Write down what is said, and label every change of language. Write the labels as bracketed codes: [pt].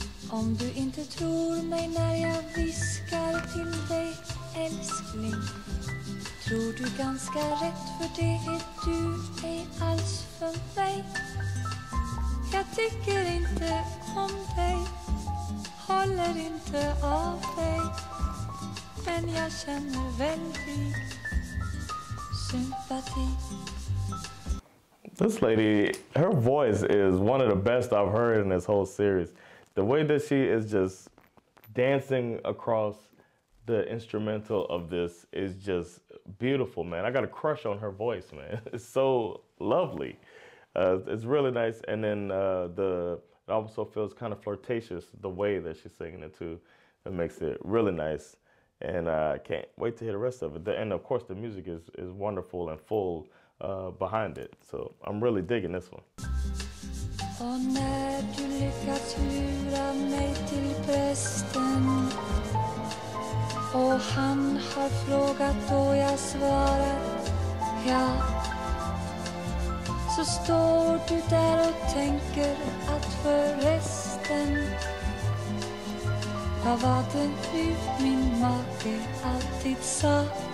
[sv] Om du inte tror mig när jag viskar till dig, älskling, tror du ganska rätt, för det är du ej alls för mig. Jag tycker inte om dig, håller inte av dig, men jag känner väldigt sympati. [en] This lady, her voice is one of the best I've heard in this whole series. The way that she is just dancing across the instrumental of this is just beautiful, man. I got a crush on her voice, man. It's so lovely. It's really nice. And then it also feels kind of flirtatious, the way that she's singing it too. It makes it really nice. And I can't wait to hear the rest of it. And of course, the music is wonderful and full behind it. So I'm really digging this one. [sv] Och när du lyckats lura mig till prästen, och han har frågat och jag svarat ja, så står du där och tänker att förresten, vad var det nu min make alltid sa?